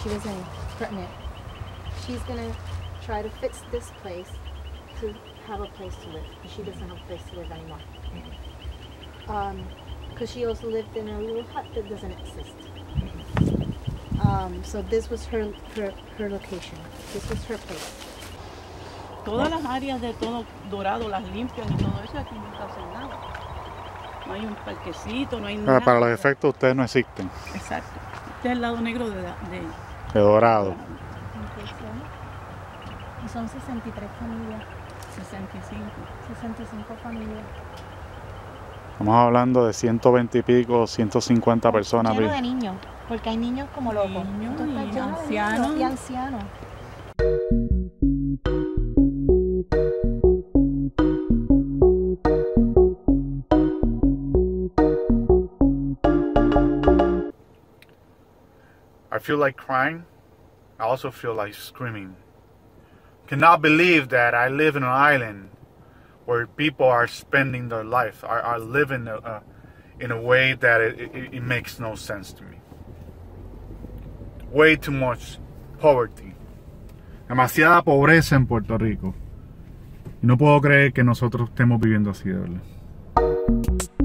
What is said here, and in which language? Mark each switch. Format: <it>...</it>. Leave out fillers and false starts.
<en>She was pregnant. She's going to try to fix this place to have a place to live. She doesn't have a place to live anymore. Because she also lived in a little hut that doesn't exist. So this was her location. This was her place.</en> <es>Todas las áreas de todo Dorado las limpian y todo eso, aquí nunca hacen nada. No hay un parquecito, no hay nada. Pero para los efectos ustedes no existen. Exacto. Este es el lado negro de Dorado. Y son 63 familias. 65. 65 familias. Estamos hablando de 120 y pico, 150 personas. Lleno de niños, porque hay niños como locos. Niños y ancianos. Y ancianos.</es> <en>I feel like crying. I also feel like screaming. Cannot believe that I live in an island where people are spending their life, are living in a way that it makes no sense to me. Way too much poverty.</en> <es>Demasiada pobreza en Puerto Rico. Y no puedo creer que nosotros estemos viviendo así, de verdad.</es>